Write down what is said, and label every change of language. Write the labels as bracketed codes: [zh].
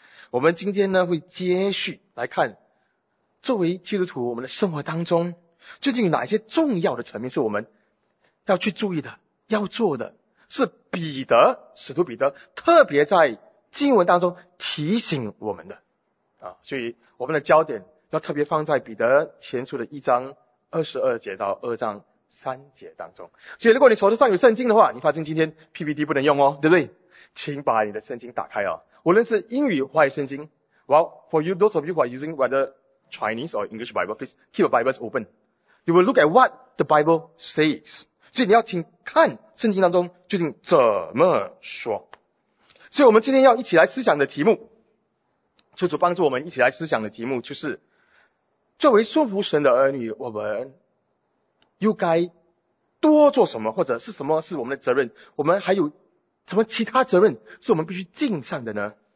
[zh] 我们今天呢会接续来看，作为基督徒我们的生活当中究竟有哪些重要的层面是我们要去注意的要做的，是彼得使徒彼得特别在经文当中提醒我们的啊，所以我们的焦点要特别放在彼得前书的一章22节到2章3节当中。所以如果你手头上有圣经的话，你发现今天 PPT 不能用哦，对不对？请把你的圣经打开哦，无论是英语或圣经。 [en] Well, for you, those of you who are using whether Chinese or English Bible, please keep your Bibles open. You will look at what the Bible says. [zh] 所以你要请看圣经当中究竟怎么说。所以我们今天要一起来思想的题目，求主帮助我们一起来思想的题目，就是作为顺服神的儿女，我们又该多做什么，或者是什么是我们的责任，我们还有什么其他责任是我们必须尽上的呢？